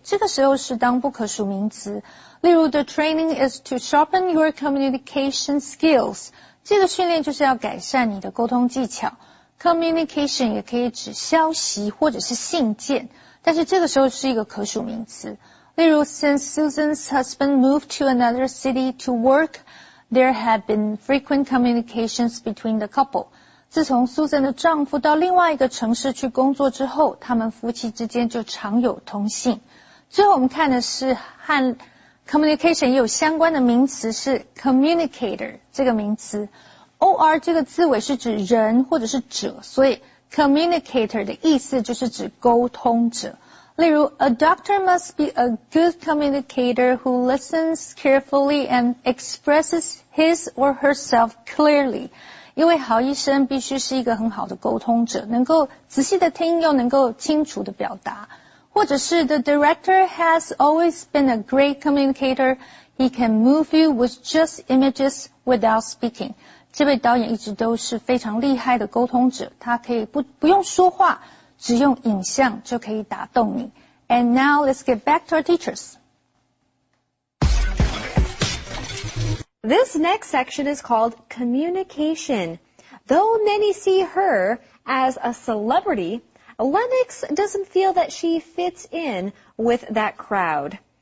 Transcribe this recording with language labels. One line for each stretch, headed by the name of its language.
Chinese: 这个时候是当不可数名词，例如
English: the training is to sharpen your communication skills，
Chinese: 这个训练就是要改善你的沟通技巧。 communication 也可以指消息或者是信件，但是这个时候是一个可数名词。例如
English: since Susan's husband moved to another city to work, there have been frequent communications between the couple.
Chinese: 自从 Susan 的丈夫到另外一个城市去工作之后，他们夫妻之间就常有通信。最后我们看的是和 communication 也有相关的名词是 communicator 这个名词。 OR 这个字尾是指人或者是者，所以 communicator 的意思就是指沟通者。例如
English: a doctor must be a good communicator who listens carefully and expresses his or herself clearly.
Chinese: 因为好医生必须是一个很好的沟通者，能够仔细的听又能够清楚的表达。或者是
English: the director has always been a great communicator. He can move you with just images without speaking.
Chinese: 这位导演一直都是非常厉害的沟通者，他可以 不用说话，只用影像就可以打动你。
English: And now let's get back to our teachers. This next section is called communication. Though many see her as a celebrity, Lennox doesn't feel that she fits in with that crowd.